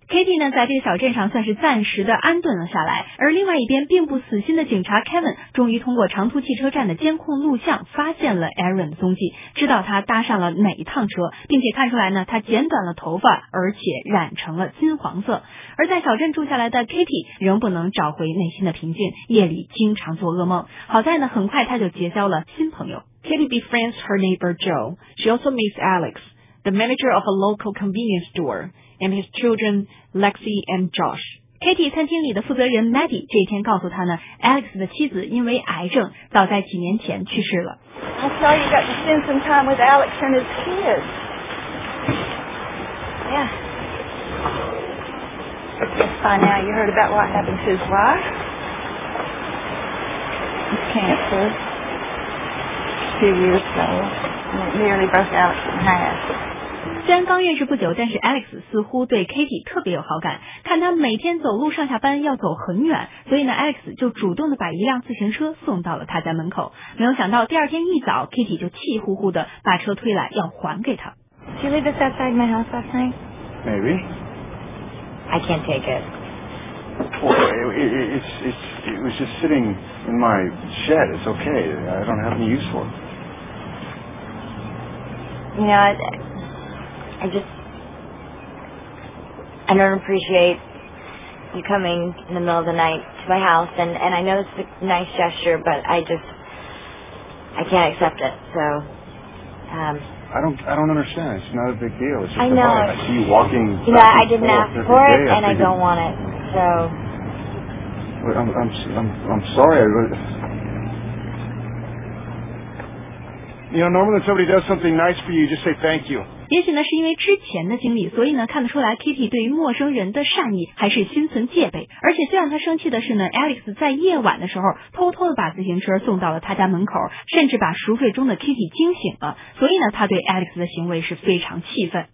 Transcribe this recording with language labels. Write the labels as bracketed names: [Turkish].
[Chinese] Katie 呢，在这个小镇上算是暂时的安顿了下来，而另外一边并不死心的警察 Kevin 终于通过长途汽车站的监控录像发现了 Erin 的踪迹，知道他搭上了哪一趟车，并且看出来呢，他剪短了头发，而且染成了金黄色。而在小镇住下来的 Katie 仍不能找回内心的平静，夜里经常做噩梦。好在呢，很快他就结交了新朋友。 [English] Katie befriends her neighbor Joe. She also meets Alex, the manager of a local convenience store, and his children Lexi and Josh. [Chinese] Katie 餐厅里的负责人 Maddie 这一天告诉他呢 ，Alex 的妻子因为癌症早在几年前去世了。 [English] I'll tell you, you got to spend some time with Alex and his kids. Yeah. By now, you heard about what happened to his wife? His cancer. A few years ago. And it nearly broke Alex in half. [Chinese] 虽然刚认识不久，但是 Alex 似乎对 Katie 特别有好感，看他每天走路上下班要走很远，所以呢 Alex 就主动的把一辆自行车送到了他家门口。没有想到第二天一早 Katie 就气呼呼的把车推来要还给他。 [English] Did you leave this outside my house last night? Maybe. I can't take it. Well, it was just sitting in my shed. It's okay. I don't have any use for it. I don't appreciate you coming in the middle of the night to my house, and I know it's a nice gesture, but I can't accept it, so. I don't understand. It's not a big deal. It's just I know. I see you walking. You know, I didn't ask for it, and I don't want it, so. Wait, I'm sorry. You know, normally if somebody does something nice for you, just say thank you. [Chinese] 也许呢是因为之前的经历，所以呢看得出来 Katie 对于陌生人的善意还是心存戒备。而且最让他生气的是呢， Alex 在夜晚的时候偷偷的把自行车送到了他家门口，甚至把熟睡中的 Katie 惊醒了。所以呢他对 Alex 的行为是非常气愤。